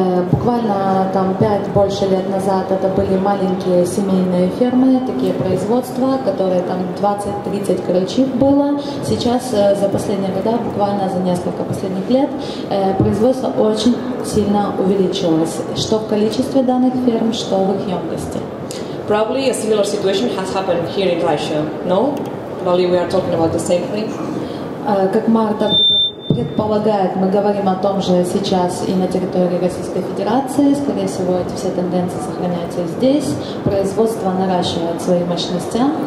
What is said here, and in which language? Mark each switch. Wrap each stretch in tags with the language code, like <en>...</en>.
<ru>Буквально там 5 больше лет назад это были маленькие семейные фермы, такие производства, которые там 20-30 крольчих было. Сейчас за последние годы, буквально за несколько последних лет, производство очень сильно увеличилось, что в количестве данных ферм, что в их емкости.</ru> <en>Probably a similar situation has happened here in Russia. No? Probably we are talking about the same thing.</en> <ru>Как Марта предполагает, мы говорим о том же сейчас и на территории Российской Федерации. Скорее всего, эти все тенденции сохраняются здесь. Производство наращивает свои мощности.</ru>